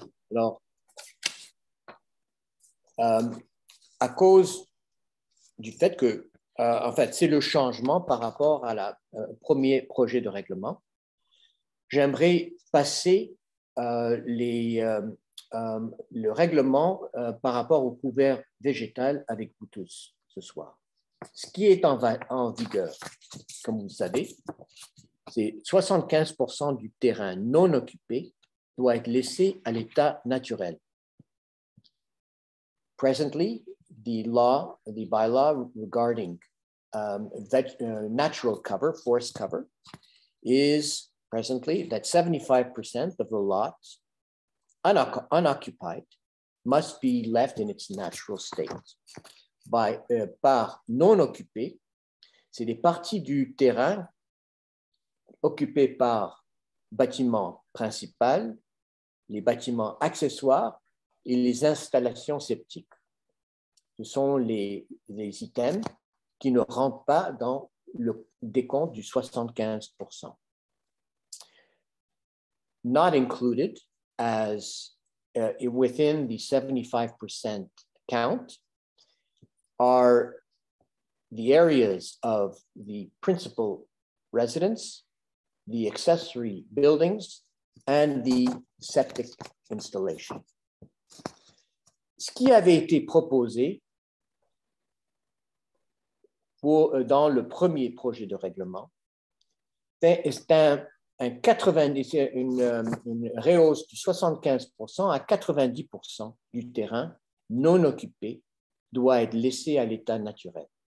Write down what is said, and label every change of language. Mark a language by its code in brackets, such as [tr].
[fr] Alors, à cause du fait que, en fait, c'est le changement par rapport à la premier projet de règlement, j'aimerais passer le règlement par rapport au couvert végétal avec vous tous ce soir. Ce qui est en vigueur, comme vous le savez, c'est 75% du terrain non occupé doit être laissé à l'état naturel. [en] Presently, the bylaw regarding natural cover, forest cover, is presently that 75% of the lots unoccupied must be left in its natural state. [fr] Par non occupé, c'est des parties du terrain occupées par bâtiments principaux, les bâtiments accessoires et les installations septiques. Ce sont les items qui ne rentrent pas dans le décompte du 75%. [en] Not included as within the 75% count are the areas of the principal residence, the accessory buildings, and the septic installation. [fr] Ce qui avait été proposé dans le premier projet de règlement, c'est une rehausse du 75% à 90% du terrain non occupé doit être laissé à l'état naturel.